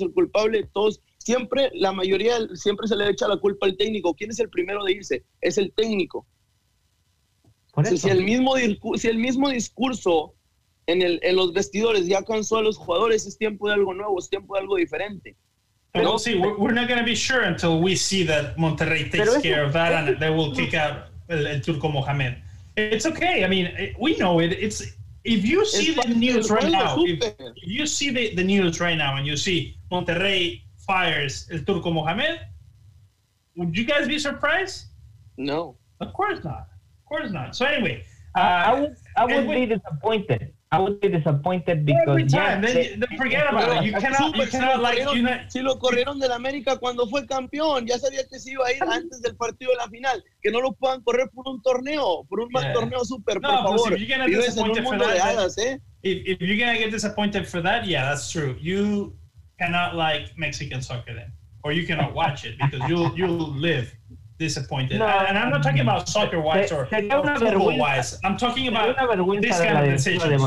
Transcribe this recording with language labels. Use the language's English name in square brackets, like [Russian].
[Spanish] ¿El culpable de todos? Siempre, la mayoría, siempre se le echa la culpa al técnico. ¿Quién es el primero de irse? Es el técnico. Por eso. Si el mismo discurso en los vestidores ya cansó a los jugadores, es tiempo de algo nuevo, es tiempo de algo diferente. [English] Pero, we'll see. We're not going to be sure until we see that Monterrey takes care of that and they will kick out el Turco Mohamed. It's okay. I mean, we know it. It's if you see the news right now, if you see the news right now and you see Monterrey fires el Turco Mohamed, would you guys be surprised? No. Of course not. Of course not. So anyway. I would be disappointed. I would be disappointed because every time, forget about it. You cannot. [Spanish] Si lo corrieron del América cuando fue campeón, ya sabía que se iba a ir antes del partido de la final. Que no lo puedan correr por un torneo, por un mal torneo super. No, por favor. [English] If you're gonna get disappointed for that, yeah, that's true. You cannot like Mexican soccer then, or you cannot watch it because you'll live disappointed. No, and I'm not talking about soccer wise or football wise. I'm talking about this kind of decisions.